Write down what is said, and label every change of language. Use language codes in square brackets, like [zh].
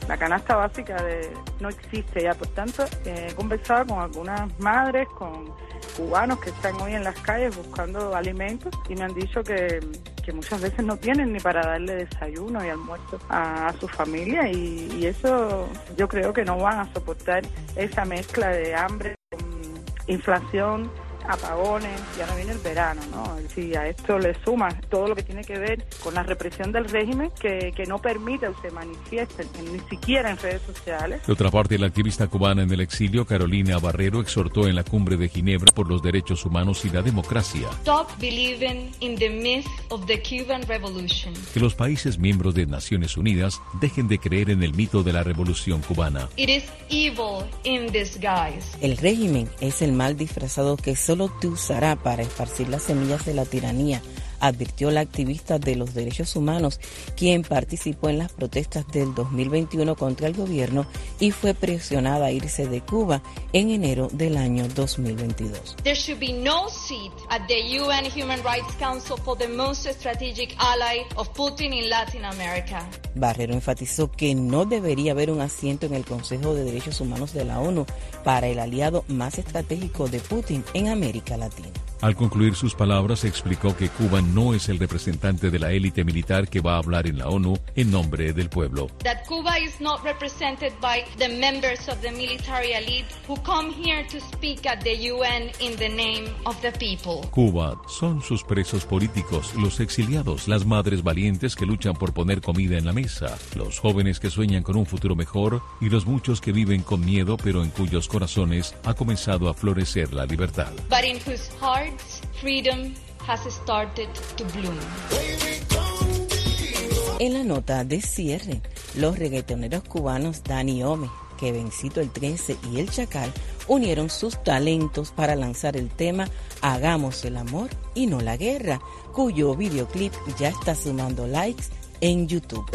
[es] La canasta básica no existe ya, por tanto, he conversado con algunas madres, con cubanos que están hoy en las calles buscando alimentos y me han dicho que muchas veces no tienen ni para darle desayuno y almuerzo a su familia y eso yo creo que no van a soportar esa mezcla de hambre, inflación, apagones, ya no viene el verano, ¿no? Si a esto le sumas todo lo que tiene que ver con la represión del régimen que no permite que se manifieste ni siquiera en redes sociales. De otra parte, la activista cubana en el exilio, Carolina Barrero, exhortó en la cumbre de Ginebra por los derechos humanos y la democracia. [en] Stop believing in the myth of the Cuban Revolution. [es] Que los países miembros de Naciones Unidas dejen de creer en el mito de la revolución cubana. [en] It is evil in disguise. [es] El régimen es el mal disfrazado que solo te usará para esparcir las semillas de la tiranía, advirtió la activista de los derechos humanos, quien participó en las protestas del 2021 contra el gobierno y fue presionada a irse de Cuba en enero del año 2022. [en] There should be no seat at the UN Human Rights Council for the most strategic ally of Putin in Latin America. [es] Barrero enfatizó que no debería haber un asiento en el Consejo de Derechos Humanos de la ONU para el aliado más estratégico de Putin en América Latina. Al concluir sus palabras, explicó que Cuba no es el representante de la élite militar que va a hablar en la ONU en nombre del pueblo. [en] That Cuba is not represented by the members of the military elite who come here to speak at the UN in the name of the people. [es] Cuba son sus presos políticos, los exiliados, las madres valientes que luchan por poner comida en la mesa, los jóvenes que sueñan con un futuro mejor y los muchos que viven con miedo, pero en cuyos corazones ha comenzado a florecer la libertad. [en] But in whose heart freedom has started to bloom. [es] En la nota de cierre, los reggaetoneros cubanos Dani Ome, Kevencito el 13 y El Chacal unieron sus talentos para lanzar el tema Hagamos el Amor y No la Guerra, cuyo videoclip ya está sumando likes en YouTube.